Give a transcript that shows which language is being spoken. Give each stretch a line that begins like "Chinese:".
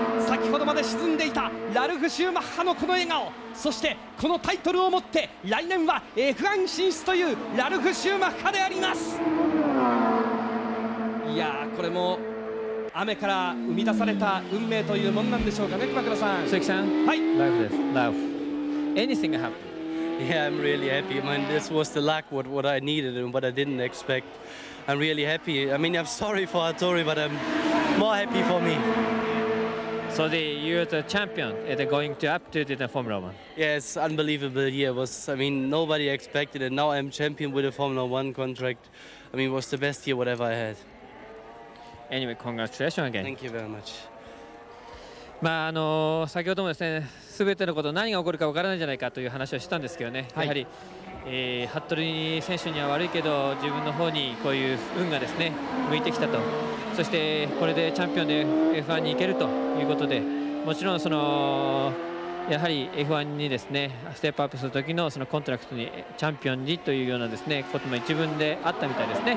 Japanese: 先ほどまで沈んでいたラルフ・シューマッハのこの笑顔、そしてこのタイトルを持って来年は F1 進出というラルフ・シューマッハであります。いやー、これも雨から生み出された運命というものなんでしょうかね。熊倉さん、鈴木さん、はい、ライフです。
English: ライフ、 anything happen Yeah, I'm really happy. I mean, this was the luck what I needed and what I didn't expect. I'm really happy. I mean, I'm sorry for Arturi, but I'm more happy for me. So you're the champion and going to up to the Formula One. Yes, unbelievable year. I mean, nobody expected it. Now I'm champion with a Formula One contract. I mean, it was the best year whatever I had. Anyway, congratulations again. Thank you very much.
Japanese: まあ先ほどもですね、全てのこと何が起こるか分からないんじゃないかという話をしたんですけどね、はい、やはり、服部選手には悪いけど自分の方にこういう運がですね向いてきたと、そしてこれでチャンピオンで F1 に行けるということで、もちろんそのやはり F1 にですねステップアップする時のそのコントラクトにチャンピオンにというようなですねことも一文であったみたいですね、